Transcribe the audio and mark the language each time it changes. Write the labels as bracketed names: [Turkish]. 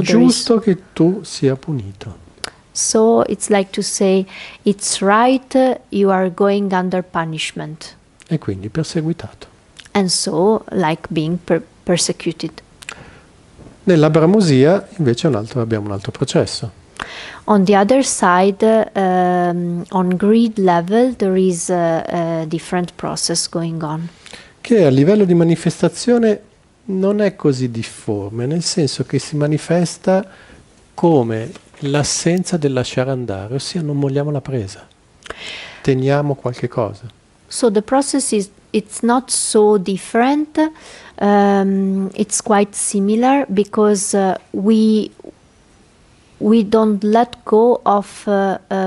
[Italian] giusto che tu sia punito. [English] So it's like to say it's right you are going under punishment. [Italian] E quindi perseguitato. [English] And so like being persecuted. [Italian] Nella bramosia invece abbiamo un altro processo. [English] On the other side, on greed level, there is a different process going on. [Italian] Che a livello di manifestazione non è così difforme, nel senso che si manifesta come l'assenza del lasciare andare, ossia non molliamo la presa, teniamo qualche cosa. [English] So the process is, it's not so different, it's quite similar, because we don't let go of the